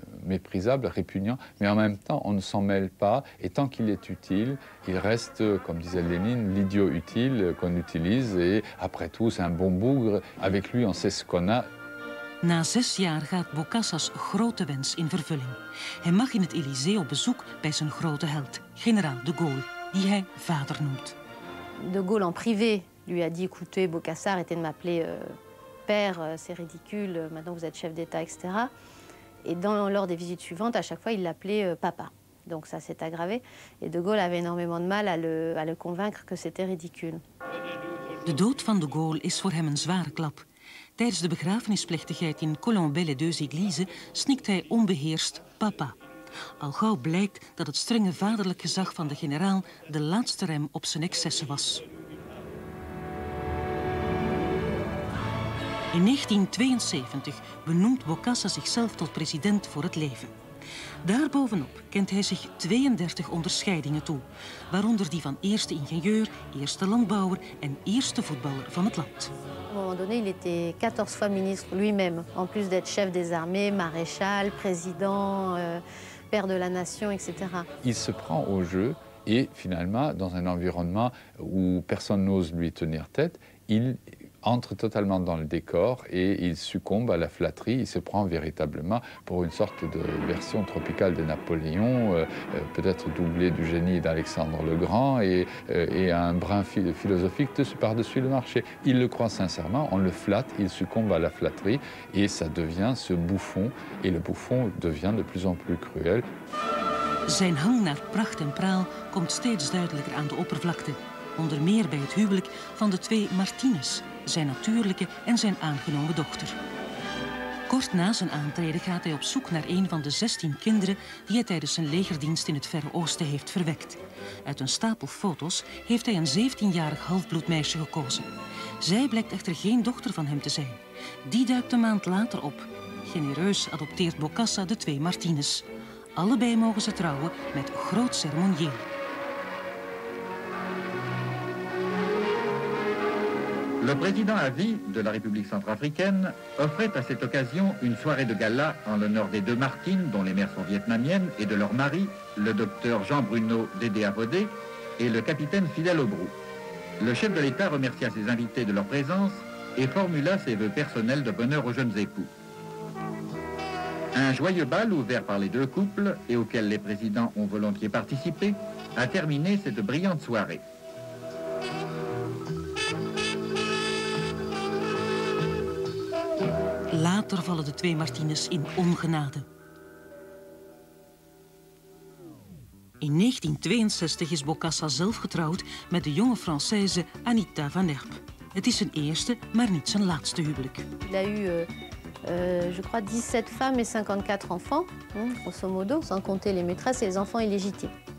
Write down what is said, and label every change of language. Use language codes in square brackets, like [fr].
[fr] méprisable, répugnant, mais en même temps, on ne s'en mêle pas, et tant qu'il est utile, il reste, comme disait Lénine, l'idiot utile qu'on utilise, et après tout, c'est un bon bougre, avec lui, on sait ce qu'on a. [nl] Na 6 jaar gaat Bokassa's grote wens in vervulling. Hij mag in het Élysée op bezoek bij zijn grote held, generaal de Gaulle, die hij vader noemt. [fr] De Gaulle en privé lui a dit, écoutez, Bokassa, arrêtez de m'appeler père, c'est ridicule, maintenant vous êtes chef d'État, etc. Et lors des visites suivantes, à chaque fois, il l'appelait papa. Donc ça s'est aggravé. Et de Gaulle avait énormément de mal à le convaincre que c'était ridicule. [nl] De dood van de Gaulle is voor hem een zware klap. Tijdens de begrafenisplechtigheid in Colombelles les deux églises snikt hij onbeheerst papa. Al gauw blijkt dat het strenge vaderlijk gezag van de generaal de laatste rem op zijn excessen was. In 1972 benoemt Bokassa zichzelf tot president voor het leven. Daarbovenop kent hij zich 32 onderscheidingen toe, waaronder die van eerste ingenieur, eerste landbouwer en eerste voetballer van het land. Op een gegeven moment was hij 14 keer minister, [fr] lui-même, en plus d'être chef des armées, maréchal, président, père de la nation, etc. Il se prend au jeu et finalement, dans un environnement où personne n'ose lui tenir tête, il entre totalement dans le décor et il succombe à la flatterie, il se prend véritablement pour une sorte de version tropicale de Napoléon, peut-être doublé du génie d'Alexandre le Grand et un brin philosophique par-dessus le marché. Il le croit sincèrement, on le flatte, il succombe à la flatterie et ça devient ce bouffon et le bouffon devient de plus en plus cruel. [nl] Zijn hang naar pracht en praal komt steeds duidelijker aan de oppervlakte, onder meer bij het huwelijk van de twee Martines. Zijn natuurlijke en zijn aangenomen dochter. Kort na zijn aantreden gaat hij op zoek naar een van de 16 kinderen die hij tijdens zijn legerdienst in het Verre Oosten heeft verwekt. Uit een stapel foto's heeft hij een 17-jarig halfbloedmeisje gekozen. Zij blijkt echter geen dochter van hem te zijn. Die duikt een maand later op. Genereus adopteert Bokassa de twee Martines. Allebei mogen ze trouwen met groot ceremonieel. [fr] Le président à vie de la République centrafricaine offrait à cette occasion une soirée de gala en l'honneur des deux Martines, dont les mères sont vietnamiennes, et de leur mari, le docteur Jean-Bruno Dédé Avodé, et le capitaine Fidel Obrou. Le chef de l'État remercia ses invités de leur présence et formula ses vœux personnels de bonheur aux jeunes époux. Un joyeux bal ouvert par les deux couples, et auquel les présidents ont volontiers participé, a terminé cette brillante soirée. [nl] Later vallen de twee Martines in ongenade. In 1962 is Bokassa zelf getrouwd met de jonge Française Anita van Erp. Het is zijn eerste, maar niet zijn laatste huwelijk. [fr] Il a eu, je crois, 17 femmes et 54 enfants, grosso modo, sans compter les maîtresses et les enfants illégitimes.